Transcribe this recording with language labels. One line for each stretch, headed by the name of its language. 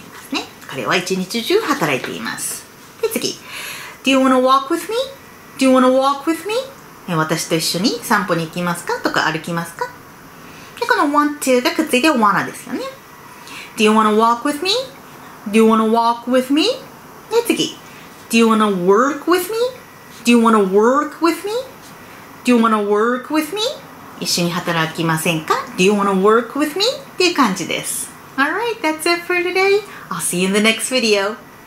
Japanese: ね、彼は一日中働いています。で、次
English: Do you want to walk with me? Do you want to walk with me?
Japanese: 私と一緒に散歩に行きますかとか歩きますか。で、この want to がくっついて wanna ですよね。
English: Do you want to walk with me? Do you want to walk with me?
Japanese: で、次。
English: Do you want to work with me? Do you want to work with me? Do you want to work with me?
Japanese: 一緒に働きませんか?
English: Do you want to work with me?
Japanese: っていう感じです。
English: Alright, that's it for today. I'll see you in the next video.